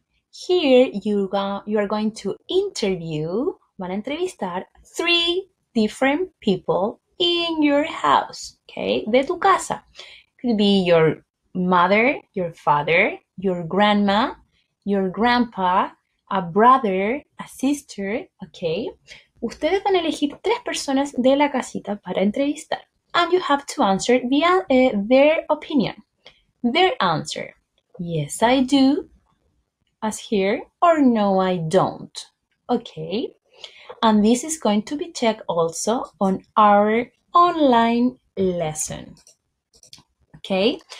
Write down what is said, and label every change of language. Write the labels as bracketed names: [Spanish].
[English] Here you are going to interview, [Spanish] van a entrevistar, [English] three different people in your house, okay, [Spanish] de tu casa. [English] Could be your mother, your father, your grandma, your grandpa, a brother, a sister, okay. [Spanish] Ustedes van a elegir tres personas de la casita para entrevistar. [English] And you have to answer via their opinion. Their answer, yes, I do, as here, or no, I don't. Okay. And this is going to be checked also on our online lesson. Okay.